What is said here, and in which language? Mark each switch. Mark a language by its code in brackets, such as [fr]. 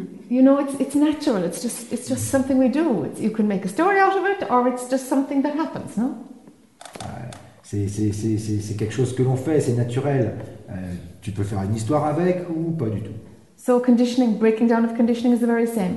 [en] You know, it's natural, it's just something we do. You can make a story out of it, or it's just something that happens, no? [fr] C'est quelque chose que l'on fait, c'est naturel. Tu peux faire une histoire avec ou pas du tout. [en] So conditioning, breaking down of conditioning is the very same.